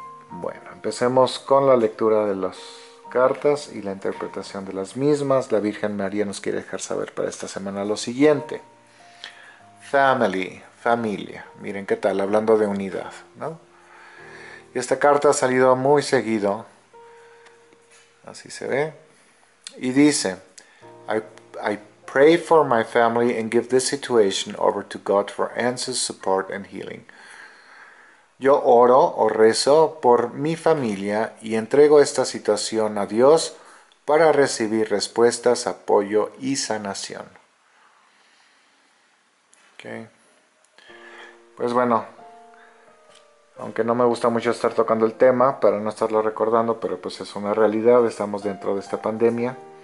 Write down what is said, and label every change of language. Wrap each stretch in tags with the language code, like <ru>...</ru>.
<es>Bueno, empecemos con la lectura de las cartas y la interpretación de las mismas. La Virgen María nos quiere dejar saber para esta semana lo siguiente. Family, familia. Miren qué tal, hablando de unidad, ¿no? Y esta carta ha salido muy seguido. Así se ve. Y dice,</es> <en>I pray for my family and give this situation over to God for answers, support and healing.</en> <es>Yo oro o rezo por mi familia y entrego esta situación a Dios para recibir respuestas, apoyo y sanación. Okay. Pues bueno, aunque no me gusta mucho estar tocando el tema para no estarlo recordando, pero pues es una realidad, estamos dentro de esta pandemia.</es>